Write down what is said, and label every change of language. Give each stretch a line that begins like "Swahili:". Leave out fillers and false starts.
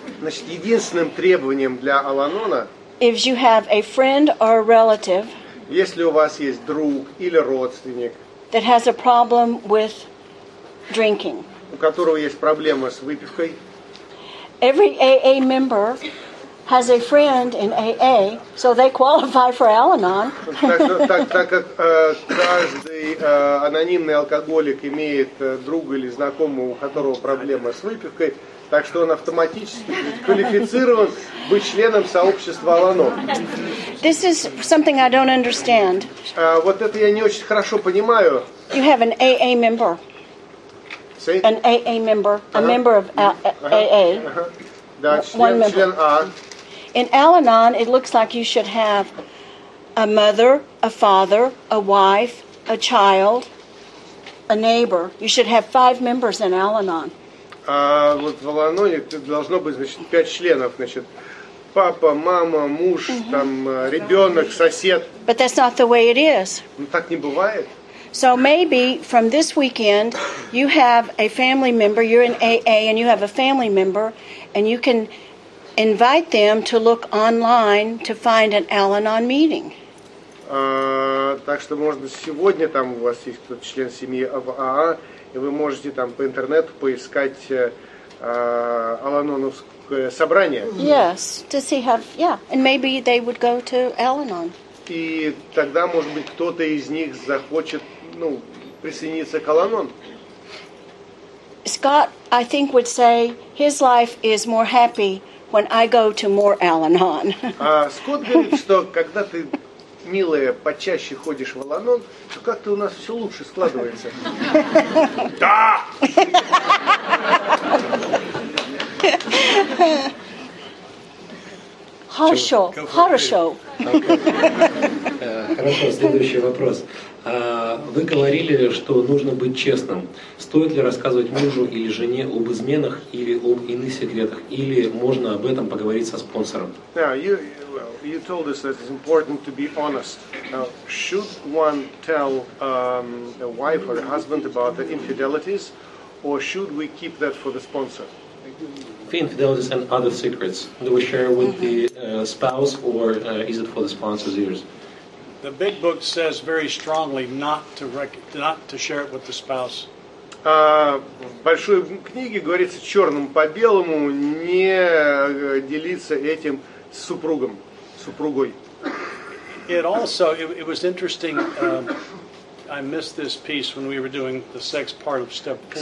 Russian: Значит, единственным требованием для Аланона.
English: If you have a friend or a relative.
Russian: Если у вас есть друг или родственник.
English: That has a problem with drinking.
Russian: У которого есть проблема с выпивкой.
English: Every AA member has a friend in AA, so they qualify for Al-Anon.
Russian: Так как каждый анонимный алкоголик имеет друга или знакомого, у которого проблемы с выпивкой, так что он автоматически квалифицирован быть членом сообщества Аланон.
English: This is something I don't understand.
Russian: Вот это я не очень хорошо понимаю.
English: You have an AA member. See? An AA member, uh-huh. A member of AA.
Russian: Uh-huh. Да, член А.
English: In Al-Anon, it looks like you should have a mother, a father, a wife, a child, a neighbor. You should have five members in Al-Anon.
Russian: Вот в Аланоне должно быть, значит, пять членов, значит, папа, мама, муж, mm-hmm. там, ребенок, сосед.
English: But that's not the way it is.
Russian: Ну, так не бывает.
English: So maybe from this weekend, you have a family member, you're in AA, and you have a family member, and you can invite them to look online to find an Al-Anon meeting.
Russian: Так что, может быть, сегодня там у вас есть кто-то член семьи в АА, и вы можете там по интернету поискать Алановское собрание.
English: Yes, to see how, yeah, and maybe they would go to Al-Anon.
Russian: И тогда, может быть, кто-то из них захочет, ну, присоединиться к Al-Anon.
English: Scott, I think, would say his life is more happy when I go to more Al-Anon.
Russian: Скотт говорит, что когда ты, милая, почаще ходишь в Al-Anon, то как-то у нас все лучше складывается. Да! Хорошо, хорошо. Хорошо, следующий вопрос. Вы говорили, что нужно быть честным. Стоит ли рассказывать мужу или жене об изменах или об иных секретах? Или можно об этом поговорить со спонсором?
English: Yeah, you told us that it's important to be honest. Should one tell a wife or a husband about the infidelities, or should we keep that for the sponsor? The infidelities and other secrets. Do we share with the spouse, or is it for the sponsor's ears? The big book says very strongly not to share it with the spouse.
Russian: Большой книге говорится черным по белому не делиться этим с супругом, супругой.
English: It also it was interesting. I missed this piece when we were doing the sex part of step four.